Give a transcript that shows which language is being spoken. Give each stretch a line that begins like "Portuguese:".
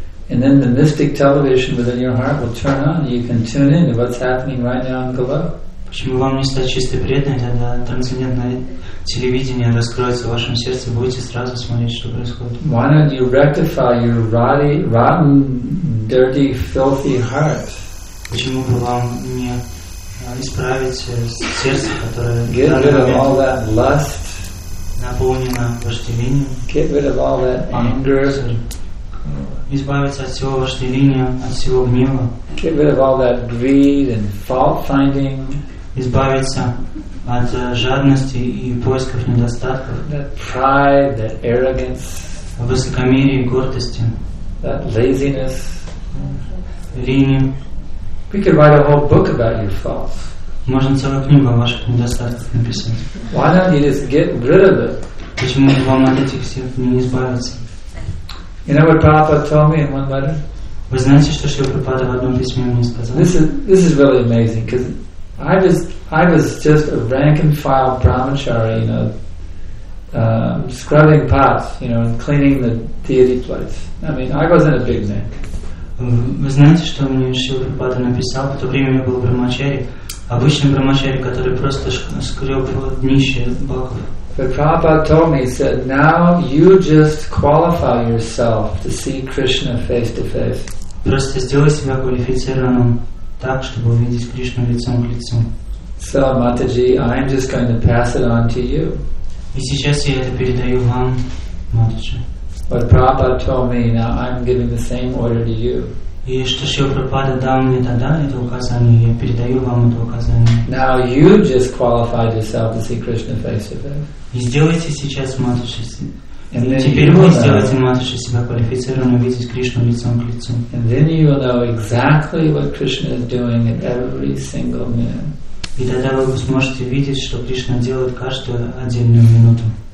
English: And then the mystic television within your heart will turn on and you can tune in to what's happening right now in Goloka.
Russian: Почему вам не стать чистой преданной, тогда трансцендентное телевидение раскроется в вашем сердце, будете сразу смотреть, что происходит.
English: Why don't you rectify your rotten, dirty, filthy heart?
Russian: Почему бы вам не исправить сердце, которое...
English: Get rid of all that lust.
Russian: Наполнено вожделением.
English: Get rid of all that anger.
Russian: Избавиться от всего вожделения, от всего гнева.
English: Get rid of all that greed and fault finding.
Russian: Избавиться от жадности и поисков недостатков.
English: That pride, that arrogance.
Russian: Высокомерие и гордости.
English: That laziness.
Russian: Лени.
English: We could write a whole book about your faults.
Russian: Можно целую книгу о ваших недостатках написать.
English: Why don't you just get rid of it?
Russian: Почему бы вам от этих всех не избавиться?
English: You know what Prabhupada told me in one letter?
Russian: Вы знаете, что Шрила Прабхупада в одном письме мне сказал?
English: This is really amazing, because I was just a rank and file brahmachari, you know, scrubbing pots, you know, and cleaning the deity plates. I mean, I wasn't a big man.
Russian: Вы знаете, что мне Шрила Прабхупада написал? В то время я был брахмачари, обычный брахмачари, который просто скреб днище баков.
English: But Prabhupada told me, he said, now you just qualify yourself to see Krishna face to face.
Russian: Просто сделай себя квалифицированным так, чтобы увидеть Кришну лицом к лицу.
English: So, Mataji, I am just going to pass it on to you.
Russian: И сейчас я это передаю вам, Матаджи.
English: But Prabhupada told me, now I'm giving the same order to you.
Russian: И что Шрила Прабхупада дал мне тогда это указание, я передаю вам это указание.
English: Now you just qualified yourself to see Krishna face to face.
Russian: И сделайте сейчас, Матаджи.
English: And then
Russian: теперь вы сделаете Матаджи себя квалифицированным увидеть Кришну лицом к лицу.
English: And then you will know exactly what Krishna is doing at every single minute.
Russian: И тогда вы сможете видеть, что Кришна делает каждую отдельную минуту.